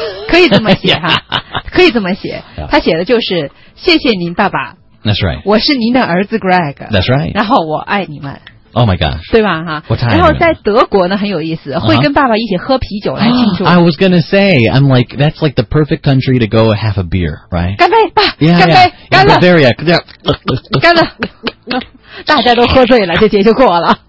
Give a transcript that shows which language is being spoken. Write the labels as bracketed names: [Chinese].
[Chinese] 可以这么写哈，可以这么写。他写的就是谢谢您，爸爸。 [English] That's right. [Chinese] 我是您的儿子 Greg. [English] That's right. [Chinese] 然后我爱你们。 [English] Oh my gosh. [Chinese] 对吧哈。 [English] What time? [Chinese] 然后在德国呢很有意思、uh-huh. 会跟爸爸一起喝啤酒来庆祝。 [English] I was gonna say, I'm like, that's like the perfect country to go have a beer, right? [Chinese] 干杯爸 [English] yeah, [Chinese] 干杯 [English] yeah, [Chinese] 干了 Bavaria, 干了干了大家都喝醉了这节就过了。